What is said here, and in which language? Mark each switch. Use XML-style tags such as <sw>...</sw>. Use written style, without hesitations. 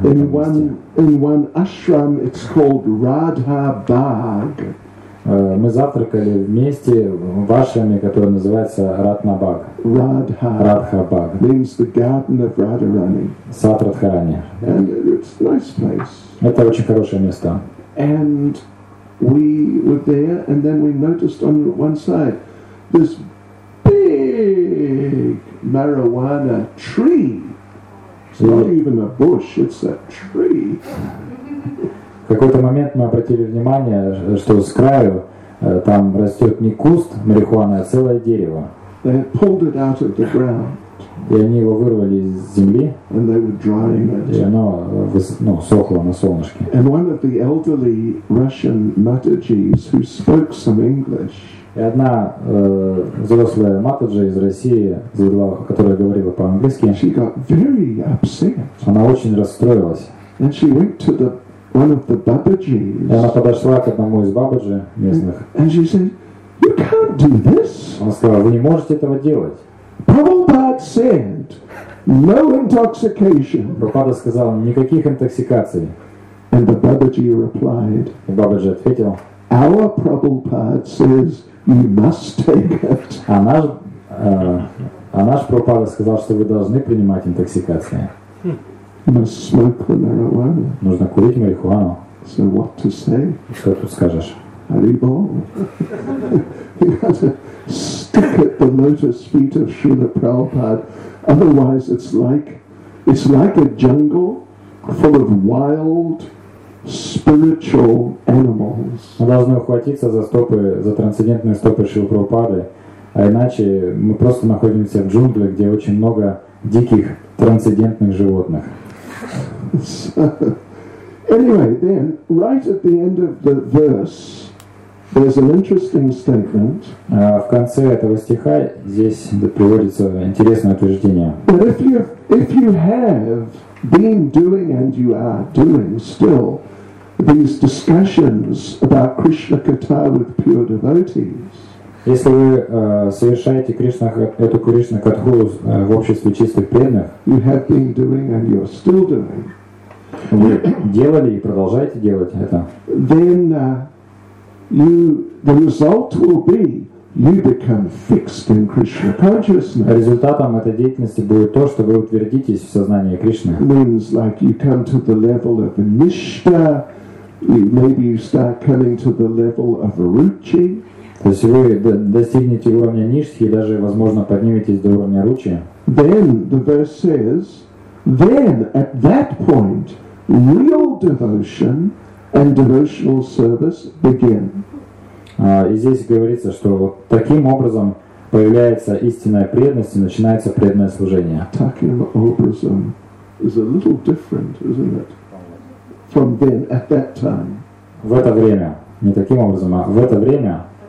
<en>In one ashram, it's called Radha Bagh.</en> <ru>Мы завтракали вместе в ашраме, который называется Ратна Баг. Радха. Радха Баг.</ru> <en>Means the garden of Radharani.</en> <ru>Сад Радхарани.</ru> <en>And it's a nice place.</en> <ru>Это очень хорошее место.</ru> <en>And we were there, and then we noticed on one side this big marijuana tree. It's not even a bush, it's a tree.</en> <ru>В какой-то момент мы обратили внимание, что с краю там растет не куст марихуаны, а целое дерево.</ru> <en>They pulled it out of the ground.</en> <ru>И они его вырвали из земли.</ru> <en>And they were drying it.</en> <ru>И оно сохло на солнышке.</ru> <en>And one of the elderly Russian Matajis who spoke some English.</en> <ru>И одна взрослая матаджа из России, которая говорила по-английски.</ru> <en>She got very upset.</en> <ru>Она очень расстроилась.</ru> <en>And she went to the one of the babajis.</en> <ru>Она подошла к одному из бабаджи местных.</ru> <en>And she said, "You can't do this."</en> <ru>Она сказала, вы не можете этого делать.</ru> <en>Prabhupada said, "No intoxication."</en> <ru>Прабхупада сказал, никаких интоксикаций.</ru> <en>And the babaji replied.</en> <ru>И бабаджи ответил.</ru> <en>Our Prabhupada says, "You must take it."</en> <ru>А наш Прабхупада сказал, что вы должны принимать интоксикации.</ru> <en>Must smoke the marijuana.</en> <ru>Нужно курить марихуану.</ru> <en>So what to say?</en> <ru>Что тут скажешь?</ru> <bn>Hare Bol.</bn> <en>You have to stick at the lotus feet of Srila Prabhupada. Otherwise it's like a jungle full of wild spiritual animals.</en> <ru>Мы должны ухватиться за стопы, за трансцендентные стопы Шрилы Прабхупады, а иначе мы просто находимся в джунгле, где очень много диких трансцендентных животных.</ru> <en>So, anyway, then, right at the end of the verse, there's an interesting statement.</en> <ru>В конце этого стиха здесь приводится интересное утверждение.</ru> <en>But if you have been doing and you are doing still these discussions about Krishna Katha with pure devotees.</en> <ru>Если вы совершаете Кришна-катху в обществе чистых преданных,</ru> <en>you have been doing and you're still doing.</en> <ru>Вы делали и продолжаете делать это.</ru> <en>Then the result will be you become fixed in Krishna consciousness.</en> <ru>Результатом этой деятельности будет то, что вы утвердитесь в сознании Кришны.</ru> <en>Means like you come to the level of Nishta, maybe you start coming to the level of Ruchi.</en> <ru>То есть вы достигнете уровня ништхи и даже, возможно, подниметесь до уровня ручи.</ru> <en>Then the verse says, then at that point, real devotion and devotional service begin.</en> <ru>И здесь говорится, что вот таким образом появляется истинная преданность и начинается преданное служение. Таким образом</ru> <en>is a little different, isn't it? From then at that time.</en> <ru>В это время, не таким образом, а в это время.</ru>